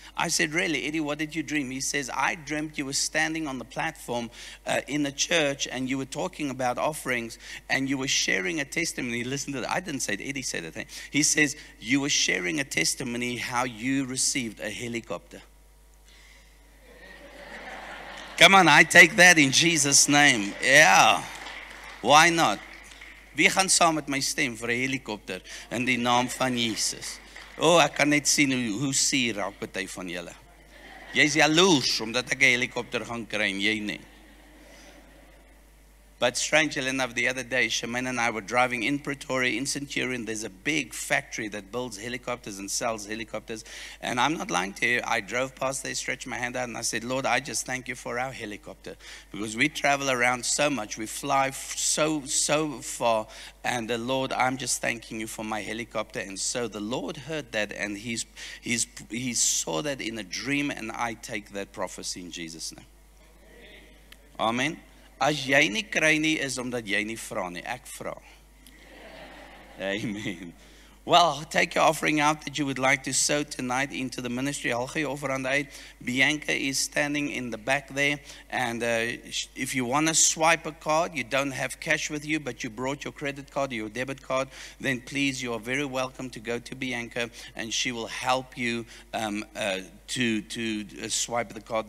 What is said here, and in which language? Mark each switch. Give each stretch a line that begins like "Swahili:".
English: I said, really, Eddie, what did you dream? He says, I dreamt you were standing on the platform in the church and you were talking about offerings and you were sharing a testimony. Listen to that. I didn't say it. Eddie said it. He says, you were sharing a testimony how you received a helicopter. Come on, I take that in Jesus' name. Yeah. Why not?
Afrikaans: We gaan saam met my stem vir 'n helikopter in die naam van Jesus. Oh, ek kan net sien hoe sier raak party van julle. Jy's jaloers omdat ek 'n helikopter gaan kry en jy nie.
English: But strangely enough, the other day, Shemaine and I were driving in Pretoria, in Centurion. There's a big factory that builds helicopters and sells helicopters. And I'm not lying to you. I drove past there, stretched my hand out, and I said, Lord, I just thank you for our helicopter. Because we travel around so much. We fly so far. And Lord, I'm just thanking you for my helicopter. And so the Lord heard that, and he saw that in a dream, and I take that prophecy in Jesus' name. Amen.
Afrikaans: As jy nie kry nie, is omdat jy nie vra nie. Ek vra. Amen.
English: Well, take your offering out that you would like to sow tonight into the ministry.
Afrikaans: Al gee jou offerande uit.
English: Bianca is standing in the back there. And if you want to swipe a card, you don't have cash with you, but you brought your credit card or your debit card, then please, you are very welcome to go to Bianca and she will help you to swipe the card.